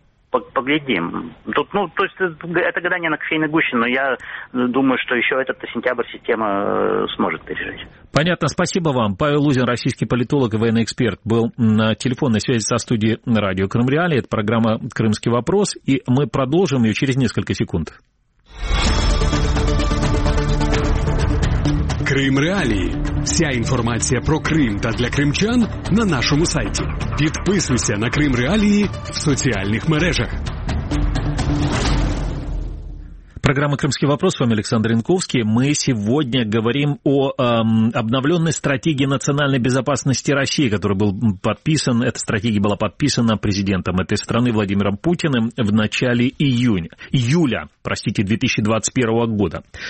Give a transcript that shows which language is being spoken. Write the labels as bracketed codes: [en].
[ru] Поглядим. Тут, ну, то есть это гадание на кофейной гуще, но я думаю, что еще этот сентябрь система сможет пережить. Понятно. Спасибо вам. Павел Лузин, российский политолог и военный эксперт, был на телефонной связи со студией радио «Крым Реали». Это программа «Крымский вопрос». И мы продолжим ее через несколько секунд. [uk] Крым Реалії. Вся інформація про Крим та для кримчан на нашому сайті. Підписуйся на Крим Реалії в соціальних мережах. [ru] Программа «Крымский вопрос», с вами Александр Янковский. Мы сегодня говорим о обновленной стратегии национальной безопасности России, которая была подписана, эта стратегия была подписана президентом этой страны Владимиром Путиным в начале июля 2021 года.